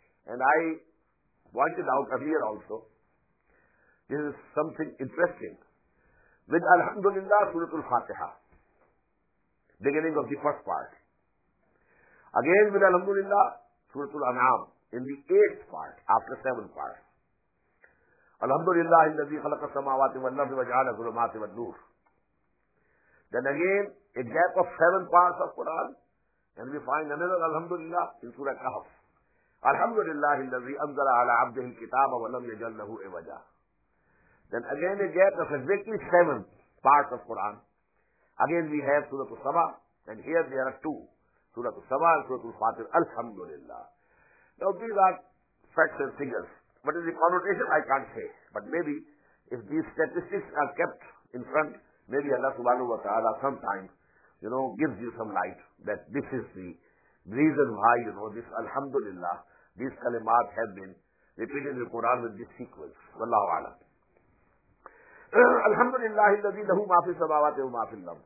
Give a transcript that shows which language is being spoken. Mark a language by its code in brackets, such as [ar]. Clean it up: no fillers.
[en] And I pointed out earlier also, this is something interesting. With Alhamdulillah, Suratul Fatiha, beginning of the first part. Again with Alhamdulillah, Suratul An'am, in the eighth part, after seven parts. [ar] Alhamdulillah, الذي خلق السماوات والأرض وجعل الظلمات والنور. [en] Then again, a gap of seven parts of Quran, and we find another Alhamdulillah in Surah Kahf. [ar] Alhamdulillah, الذي أنزل على عبده الكتاب ولم يجعل له عوجا. [en] Then again a gap of exactly seven parts of Quran. Again we have Surah Al-Saba, and here there are two. Surah Al-Saba and Surah Al-Fatir, Alhamdulillah. Now these are facts and figures. What is the connotation? I can't say. But maybe if these statistics are kept in front, maybe Allah subhanahu wa ta'ala sometimes, you know, gives you some light that this is the reason why, you know, this Alhamdulillah, these kalimat have been repeated in the Quran with this sequence. Wallahu a'lam. [ar] Alhamdulillah, الذي له ما في السماوات وما في الأرض.